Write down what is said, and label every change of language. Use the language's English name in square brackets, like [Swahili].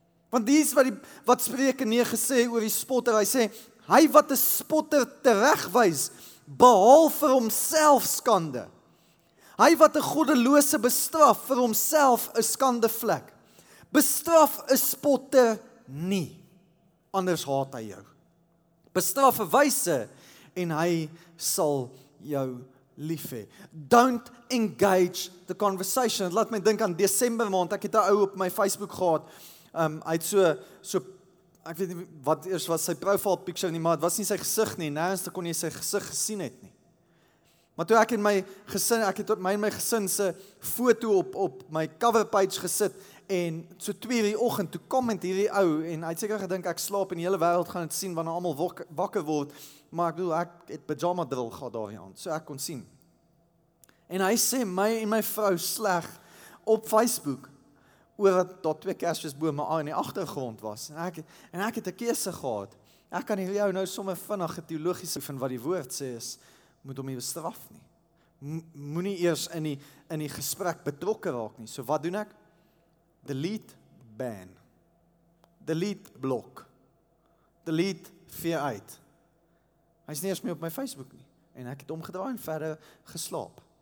[Afrikaans] Want dis wat Spreuke 9 sê oor die spotter. Hy sê, hy wat 'n spotter teregwys, behaal vir homself skande. Hy wat 'n goddelose bestraf vir homself 'n skande vlek. Bestraf 'n spotter nie, anders haat hy jou. Bestraf 'n wyse en hy sal jou lief hê. [English] Don't engage the conversation. [Afrikaans] Laat my dink aan Desember maand. Ek het 'n ou op my Facebook gehad. Hy het so ek weet nie wat eers was sy profile picture nie, maar dit was nie sy gesig nie. Nêrens kon jy sy gesig gesien het nie. Maar toe ek het my gesin se foto op my cover page gesit en so 2:00 die oggend toe comment hierdie ou en hy het seker gedink ek slaap en die hele wêreld gaan dit sien wanneer almal wakker word, maar ek bedoel ek het pyjama drill gehad daai aand so ek kon sien. En hy sê my en my vrou sleg op Facebook, oor dat daar twee kerstjesbome in die agtergrond was, en ek het 'n keuse gehad, ek kan jou nou sommer vinnig teologies oefen wat die woord sê is, moet hom nie bestraf nie, moet nie eers in die gesprek betrokke raak nie, so wat doen ek? Delete, ban, delete, blok, delete, veer uit, hy is nie eers meer op my Facebook nie, en ek het omgedraai en verder geslaap.